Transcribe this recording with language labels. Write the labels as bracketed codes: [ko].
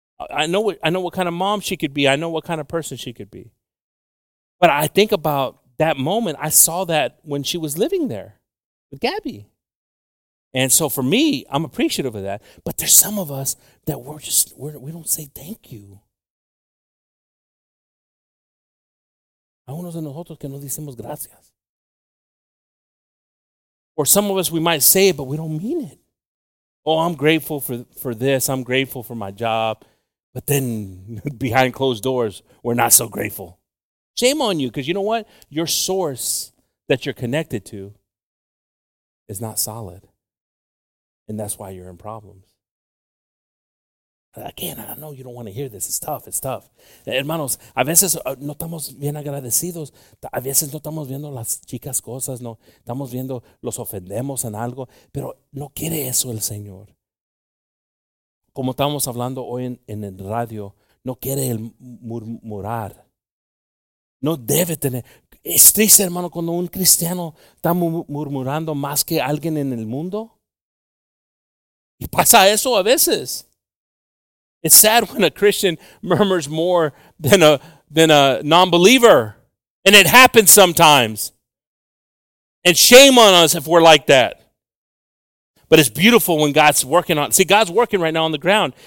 [en] I know what kind of mom she could be. I know what kind of person she could be. But I think about that moment. I saw that when she was living there with Gabby. And so for me, I'm appreciative of that. But there's some of us that we don't say thank you. [es] Hay unos de nosotros que no decimos gracias. [en] Or some of us, we might say it, but we don't mean it. Oh, I'm grateful for this. I'm grateful for my job. But then behind closed doors, we're not so grateful. Shame on you, because you know what? Your source that you're connected to is not solid. And that's why you're in problems. Again, I know you don't want to hear this. It's tough. [es] Hermanos, a veces no estamos bien agradecidos. A veces no estamos viendo las chicas cosas. No estamos viendo los ofendemos en algo. Pero no quiere eso el Señor. Como estamos hablando hoy en el radio, no quiere el murmurar. No debe tener. Es triste, hermano, cuando un cristiano está murmurando más que alguien en el mundo. Y pasa eso a veces. [en] It's sad when a Christian murmurs more than a non-believer. And it happens sometimes. And shame on us if we're like that. But it's beautiful when God's working on. See, God's working right now on the ground.